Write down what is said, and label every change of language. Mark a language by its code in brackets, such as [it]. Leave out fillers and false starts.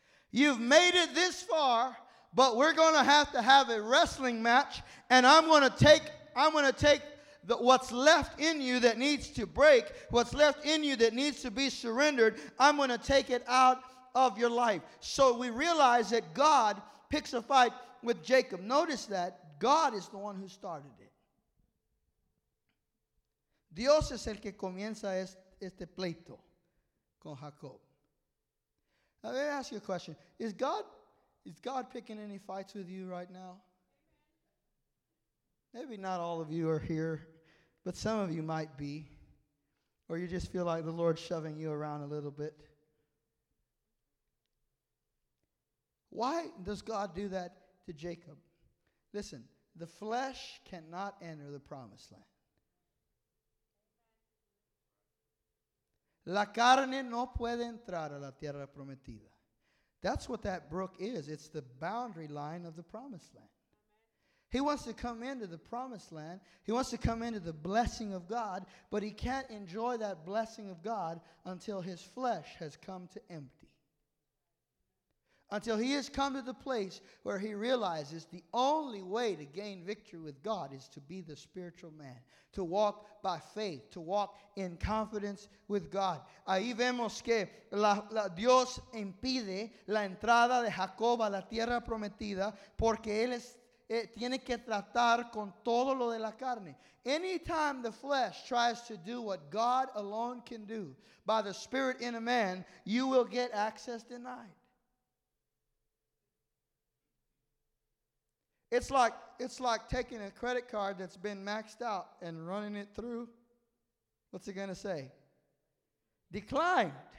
[en] You've made it this far, but we're going to have a wrestling match, and I'm going to take what's left in you that needs to break, what's left in you that needs to be surrendered, I'm going to take it out of your life. So we realize that God picks a fight with Jacob. Notice that God is the one who started it. [es] Dios es el que comienza este pleito con Jacob. [en] Now, let me ask you a question. Is God picking any fights with you right now? Maybe not all of you are here, but some of you might be. Or you just feel like the Lord's shoving you around a little bit. Why does God do that to Jacob? Listen, the flesh cannot enter the promised land. [es] La carne no puede entrar a la tierra prometida. [en] That's what that brook is. It's the boundary line of the promised land. He wants to come into the promised land. He wants to come into the blessing of God, but he can't enjoy that blessing of God until his flesh has come to empty. Until he has come to the place where he realizes the only way to gain victory with God is to be the spiritual man, to walk by faith, to walk in confidence with God. [es] Ahí vemos que Dios impide la entrada de Jacob a la tierra prometida porque él tiene que tratar con todo lo de la carne. [en] Anytime the flesh tries to do what God alone can do by the Spirit in a man, you will get access denied. It's like taking a credit card that's been maxed out and running it through. What's it going to say? Declined.